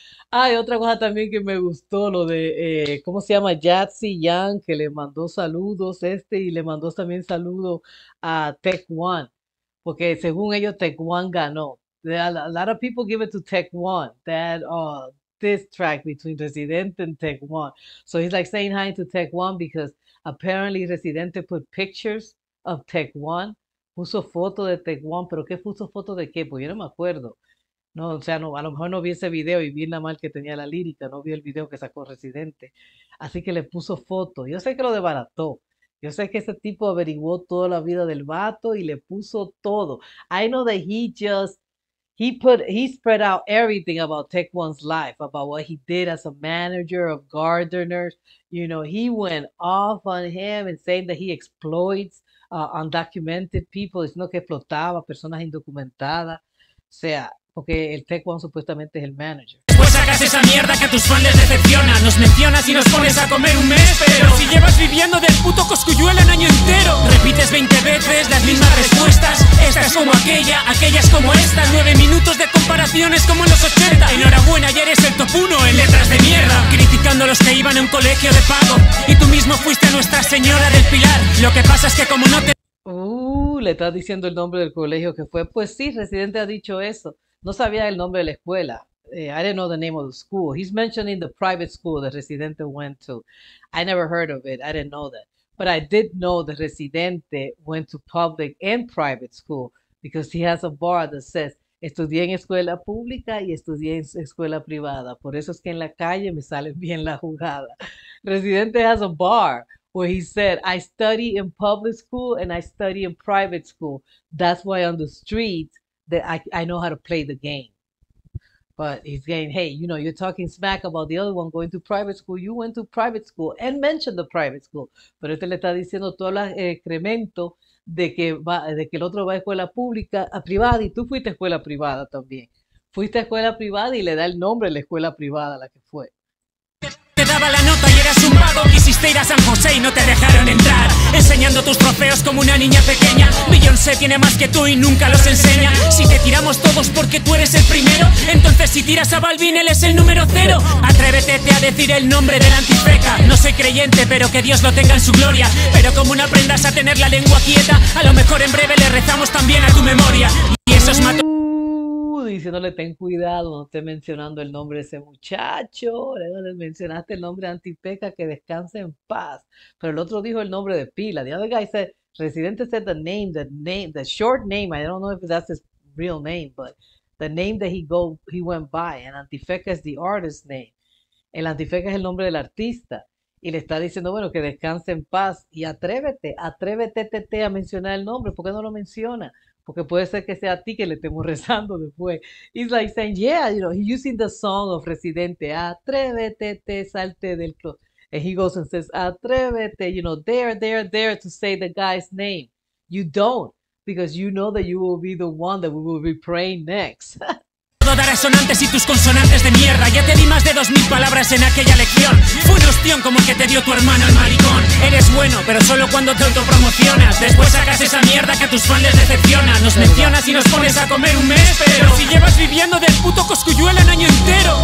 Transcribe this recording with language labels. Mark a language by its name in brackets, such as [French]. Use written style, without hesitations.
[Spanish] Ah, y otra cosa también que me gustó, lo de, ¿cómo se llama? Yatsi Yang, que le mandó saludos este, y le mandó también saludos a Tech One, porque según ellos, Tech One ganó. [English] A lot of people give it to Tech One, that diss track between Residente and Tech One. So he's like saying hi to Tech One, because apparently Residente put pictures of Tech One, [Spanish] puso fotos de Tech One, pero ¿qué puso fotos de qué? Pues yo no me acuerdo. No, o sea, no, a lo mejor no vi ese video y vi la mal que tenía la lírica, no vi el video que sacó Residente. Así que le puso foto. Yo sé que lo desbarató. Yo sé que ese tipo averiguó toda la vida del vato y le puso todo. [English] I know that he spread out everything about Tech One's life, about what he did as a manager of Gardeners. You know, he went off on him and saying that he exploits undocumented people, [Spanish] diciendo que explotaba personas indocumentadas. O sea, porque el Tech One supuestamente es el manager. Pues sacas esa mierda que a tus fans les decepciona. Nos mencionas y nos pones a comer un mes, pero si llevas viviendo del puto Cosculluela un año entero. Repites 20 veces las mismas respuestas. Esta es como aquella, aquella es como esta. 9 minutos de comparaciones como en los 80. Enhorabuena, ya eres el top 1 en letras de mierda, criticando a los que iban a un colegio de pago. Y tú mismo fuiste a Nuestra Señora del Pilar. Lo que pasa es que como no te... Le estás diciendo el nombre del colegio que fue. Pues sí, Residente ha dicho eso. No sabía el nombre de la escuela. [English] I didn't know the name of the school. He's mentioning the private school that Residente went to. I never heard of it. I didn't know that. But I did know that Residente went to public and private school because he has a bar that says, [Spanish] estudié en escuela pública y estudié en escuela privada. Por eso es que en la calle me sale bien la jugada. [English] Residente has a bar where he said, I study in public school and I study in private school. That's why on the street, that I know how to play the game. But he's saying, hey, you know, you're talking smack about the other one going to private school. You went to private school and mentioned the private school. [Spanish] Pero este le está diciendo todo el excremento de que el otro va a escuela pública, a privada, y tú fuiste a escuela privada también. Fuiste a escuela privada y le da el nombre a la escuela privada a la que fue. Te daba la nota y eras un vago. Quisiste ir a San José y no te dejaron entrar, enseñando tus trofeos como una niña pequeña. Beyoncé tiene más que tú y nunca los enseña. Si te tiramos todos porque tú eres el primero, entonces si tiras a Balvin, él es el número cero. Atrévete a decir el nombre del antifreca. No soy creyente, pero que Dios lo tenga en su gloria. Pero como no aprendas a tener la lengua quieta, a lo mejor en breve le rezamos también a tu memoria. Y esos mató. Diciéndole ten cuidado, no esté mencionando el nombre de ese muchacho. Le mencionaste el nombre antipeca, que descanse en paz. Pero el otro dijo el nombre de pila. [English] The other guy said, Residente said the name, the short name. I don't know if that's his real name, but the name that he went by, and antipeca is the artist's name. [Spanish] El antipeca es el nombre del artista. Y le está diciendo, bueno, que descanse en paz. Y atrévete a mencionar el nombre. ¿Por qué no lo menciona? Porque puede ser que sea a ti que le estemos rezando después. [English] He's like saying, yeah, you know, he's using the song of Residente. [Spanish] Atrévete, salte del closet. [English] And he goes and says, atrévete, you know, dare to say the guy's name. You don't, because you know that you will be the one that we will be praying next. [Spanish] Darás sonantes y tus consonantes de mierda. Ya te di más de 2000 palabras en aquella lección. Fue un ostión como el que te dio tu hermano el maricón. Eres bueno, pero solo cuando te autopromocionas. Después sacas esa mierda que a tus fans les decepciona. Nos mencionas y nos pones a comer un mes, pero si llevas viviendo del puto Cosculluela un año entero.